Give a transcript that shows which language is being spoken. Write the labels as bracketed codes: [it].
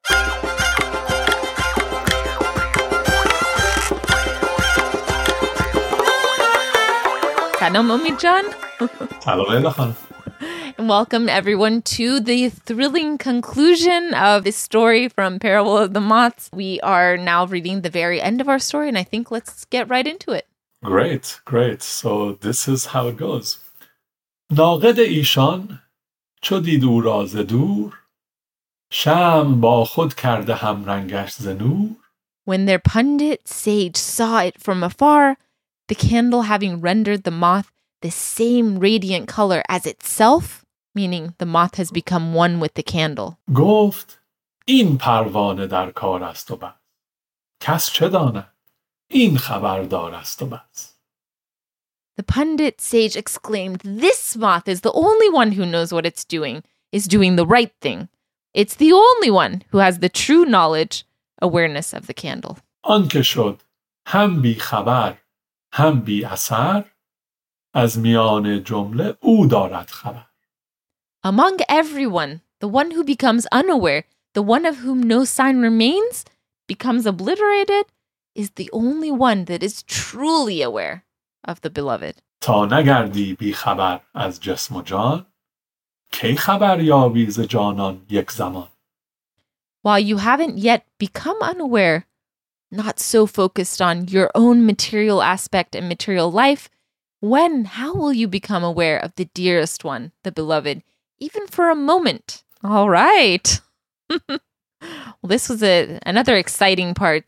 [fa] Salam Omid Jan. Salam Elahan. [en] And welcome everyone to the thrilling conclusion of this story from Parable of the Moths. We are now reading the very end of our story, and I think let's get right into it. Great, great. So this is how it goes. [fa] ناقد ایشان چو دید او را ز دور شام با خود کرده هم رنگش ز نور. [en] When their pundit sage saw it from afar, the candle having rendered the moth the same radiant color as itself, meaning the moth has become one with the candle. [fa] گفت این پروانه در کار است و بس. کس چه دانه؟ این خبردار است و بس. [en] The pundit sage exclaimed, "This moth is the only one who knows what it's doing, is doing the right thing. It's the only one who has the true knowledge, awareness of the candle." [fa] آن که شد هم بی خبر هم بی اثر از میان جمله او دارد خبر. [en] Among everyone, the one who becomes unaware, the one of whom no sign remains, becomes obliterated, is the only one that is truly aware of the beloved. [fa] تا نگردی بی خبر از جسم و جان، کی خبر یابی ز جانان یک زمان. [en] While you haven't yet become unaware, not so focused on your own material aspect and material life, when, how will you become aware of the dearest one, the beloved, even for a moment? All right. Well, this was another exciting part.